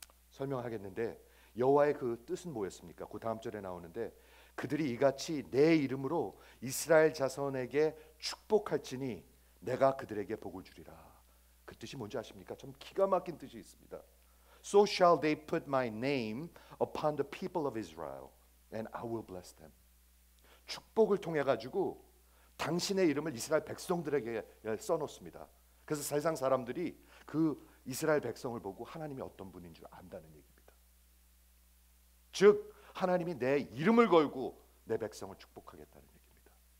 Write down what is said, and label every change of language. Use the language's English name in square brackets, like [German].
[Korean] 설명하겠는데 여호와의 그 뜻은 뭐였습니까? 그 다음 절에 나오는데 그들이 이같이 내 이름으로 이스라엘 자손에게 축복할지니 내가 그들에게 복을 주리라. 그 뜻이 뭔지 아십니까? 좀 기가 막힌 뜻이 있습니다. [English] So shall they put my name upon the people of Israel and I will bless them. [Korean] 축복을 통해 가지고 당신의 이름을 이스라엘 백성들에게 써놓습니다. 그래서 세상 사람들이 그 이스라엘 백성을 보고 하나님이 어떤 분인 줄 안다는 얘기입니다. 즉 하나님이 내 이름을 걸고 내 백성을 축복하겠다는 얘기입니다.